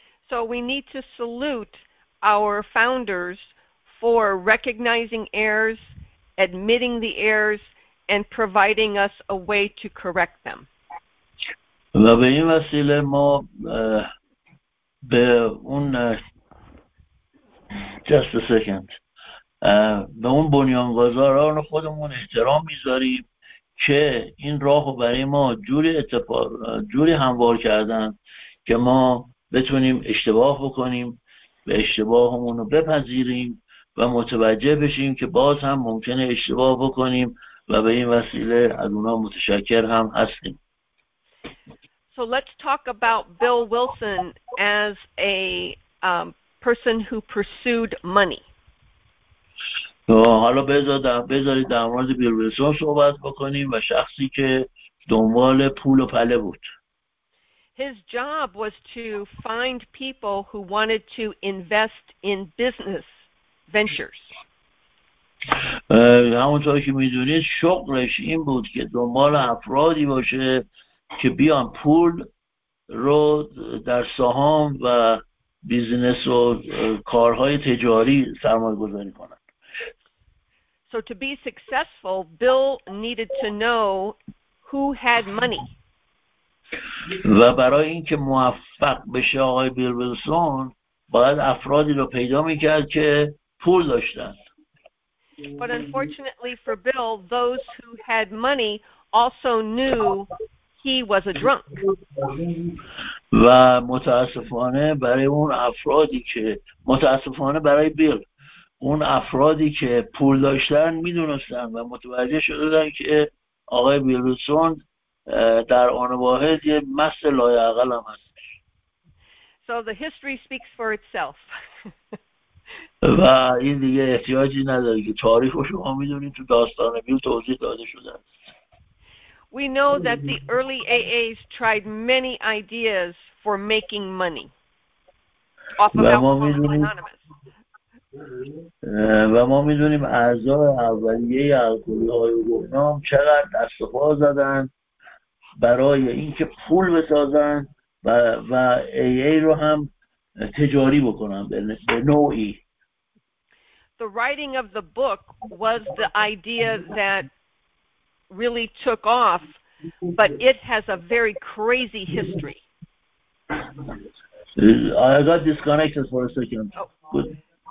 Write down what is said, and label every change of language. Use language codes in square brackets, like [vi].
[en] So we need to salute our founders for recognizing errors, admitting the errors, and providing us a way to correct them. [fa] و به این وسیله ما به اون [en] just a second [fa] به اون بنیانگذاران خودمون احترام میذاریم که این راهو برای ما جوری هموار کردن که ما بتونیم اشتباه بکنیم و اشتباهمون رو بپذیریم و متوجه بشیم که باز هم ممکنه اشتباه بکنیم و به این وسیله از اونا متشکر هم هستیم. [en] So let's talk about Bill Wilson as a person who pursued money. [fa] So حالا بذارید در مورد بیل ویلسون صحبت بکنیم و شخصی که دنبال پول و پله بود. [en] His job was to find people who wanted to invest in business ventures. [fa] همونطور که میدونید شغلش این بود که دنبال افرادی باشه که بیان پول رو در سهام و بیزینس و کارهای تجاری سرمایه گذاری کنن. [en] So to be successful, Bill needed to know who had money. [fa] و برای اینکه موفق بشه آقای بیل ویلسون باید افرادی رو پیدا میکرد که پول داشتن. [en] But unfortunately for Bill, those who had money also knew he was a drunk. [fa] و متاسفانه برای اون افرادی که متاسفانه برای بیل اون افرادی که پول داشتن میدونستن و متوجه شدن که آقای بیل ویلسون در آن واحد یه مست لایعقل هم هست. [en] So the history speaks for itself. [fa] و این دیگه احتیاجی نداره که تاریخ رو شما میدونید تو داستان بیل توضیح داده شده است. [en] We know that the early AAs tried many ideas for making money off of Alcoholics Anonymous. [fa] و ما می‌دونیم اعضای اولیه الکلی‌های گمنام چقدر دست و پا زدند برای اینکه پول بسازند و AA رو هم تجاری بکنم به نوعی. [en] The writing of the book was the idea that really took off, but it has a very crazy history. I got disconnected for a second. Oh. Good.